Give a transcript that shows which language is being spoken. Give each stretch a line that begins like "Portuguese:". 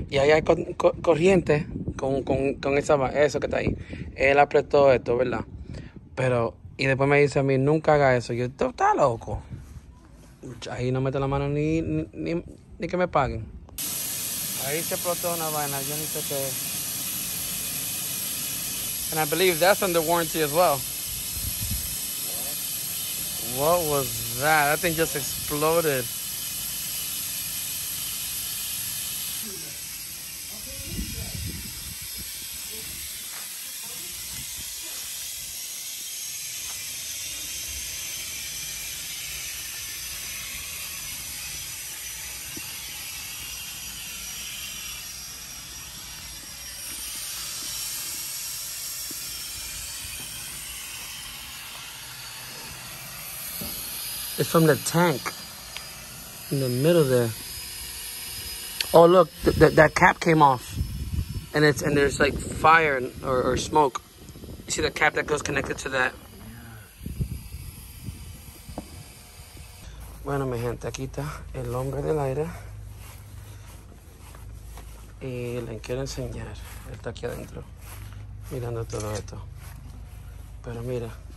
Spanish: Y ahí hay corriente con esa, eso que está ahí. Él apretó esto, ¿verdad? Pero, y después me dice a mí, nunca haga eso. Yo, tú estás loco. Ahí no mete la mano ni que me paguen. Ahí se explotó una vaina, yo ni sé qué.
English: And I believe that's under warranty as well. What was that? That thing just exploded. Okay, It's from the tank in the middle there. Oh, look, that cap came off. And it's and there's like fire or smoke. You see the cap that goes connected to that? Yeah.
Spanish: Bueno, mi gente, aquí está el hombre del aire. Y le quiero enseñar. Él está aquí adentro, mirando todo esto. Pero mira.